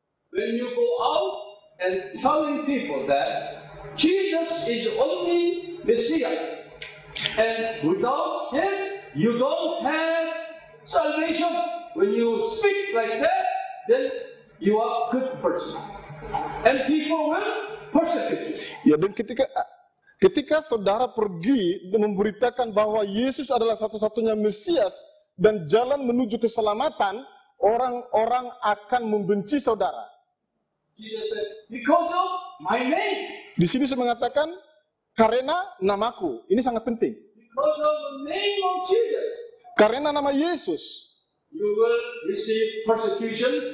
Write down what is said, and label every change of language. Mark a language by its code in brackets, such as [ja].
[en] When you go out and telling people that Jesus is only Messiah and without him you don't have salvation, when you speak like that, then you are a good person and people will persecute you. [id] Ya, dan ketika saudara pergi memberitakan bahwa Yesus adalah satu-satunya Mesias dan jalan menuju keselamatan, orang-orang akan membenci saudara. [en] Jesus said, because of my name. [id] Di sini saya mengatakan karena namaku. Ini sangat penting. [en] Because of the name of Jesus. [id] Karena nama Yesus. [en] You will receive persecution.